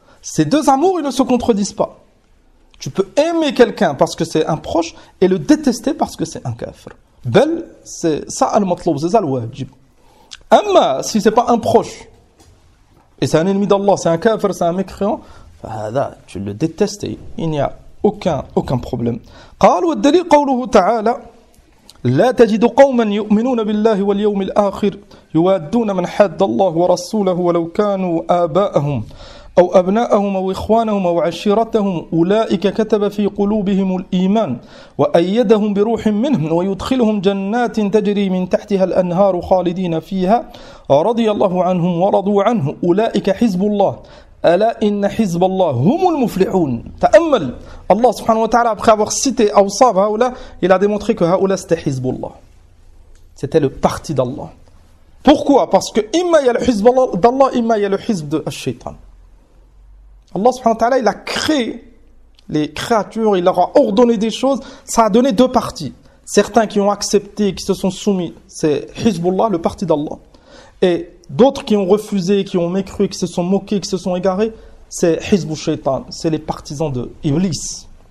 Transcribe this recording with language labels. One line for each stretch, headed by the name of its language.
French: Ces deux amours, ils ne se contredisent pas. Tu peux aimer quelqu'un parce que c'est un proche et le détester parce que c'est un kafir. Bel, c'est ça al-matloub, c'est ça al-wajib. Amma, si ce n'est pas un proche, et c'est un ennemi d'Allah, c'est un kafir, c'est un mécréant, fahada, tu le détestes et il n'y a aucun problème.
Arabic: قال والدليل قوله تعالى لا تجد قوما يؤمنون بالله واليوم الآخر يوادون من حد الله ورسوله ولو كانوا آباءهم أو أبناءهم أو إخوانهم أو عشيرتهم أولئك كتب في قلوبهم الإيمان وأيدهم بروح منهم ويدخلهم جنات تجري من تحتها الأنهار خالدين فيها رضي الله عنهم ورضوا عنه أولئك حزب الله ألا إن حزب الله هم المفلحون. تأمل الله سبحانه وتعالى
French: après avoir cité
Arabic: أوصاف هؤلاء,
French: il a démontré que
Arabic: هؤلاء
French: c'était
Arabic: حزب الله,
French: c'était le parti d'Allah. Pourquoi? Parce que
Arabic: إما يا الحزب الله إما يا الحزب الشيطان.
French: Allah subhanahu wa ta'ala, il a créé les créatures, il leur a ordonné des choses, ça a donné deux parties. Certains qui ont accepté, qui se sont soumis, c'est Hizbullah, le parti d'Allah. Et d'autres qui ont refusé, qui ont mécru, qui se sont moqués, qui se sont égarés, c'est Hizbou Shaitan, c'est les partisans de Iblis.